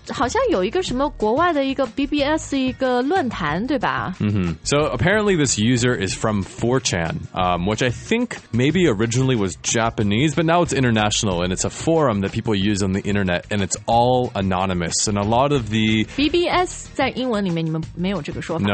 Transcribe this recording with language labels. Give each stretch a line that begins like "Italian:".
Chinese: 好像有一个什么国外的一个 BBS 一个论坛对吧、 mm-hmm.
English: So apparently this user is from 4chan,、which I think maybe originally was Japanese, but now it's international and it's a forum that people use on the internet and it's all anonymous and a lot of the
Chinese: BBS 在英文里面你们没有这个说法